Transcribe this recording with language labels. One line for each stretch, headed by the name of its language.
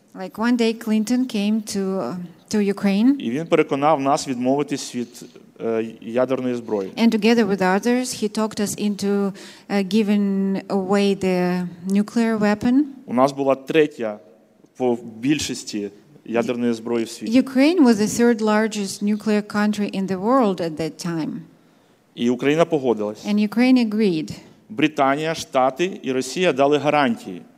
English: Like one day Clinton came to Ukraine.
Ukrainian: І він переконав нас відмовитись від ядерної зброї.
English: And together with others, he talked us into giving away the nuclear weapon.
Ukrainian: У нас була третя по більшості ядерної зброї в світі.
English: Ukraine was the third largest nuclear country in the world at that time.
Ukrainian: І Україна погодилась.
English: And Ukraine agreed.
Ukrainian: Британія, Штати і Росія дали гарантії.